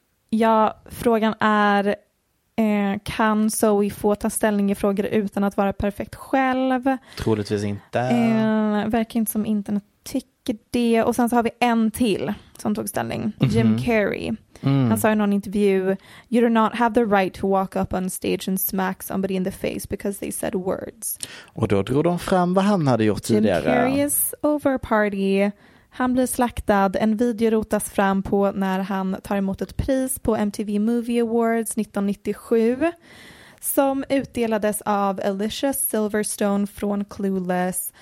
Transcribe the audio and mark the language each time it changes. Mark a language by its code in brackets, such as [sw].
[sv] Ja, frågan är, kan Zoe få ta ställning i frågor utan att vara perfekt själv? Troligtvis inte. Verkar inte som internet tycker det. Och sen så har vi en till som tog ställning. Jim Carrey. Han sa i någon intervju, [en] you do not have the right to walk up on stage and smack somebody in the face because they said words. [sv] Och då drog de fram vad han hade gjort tidigare. [en] Jim Carrey is over a party. [sv] Han blir slaktad. En video rotas fram på när han tar emot ett pris på MTV Movie Awards 1997 som utdelades av Alicia Silverstone från Clueless.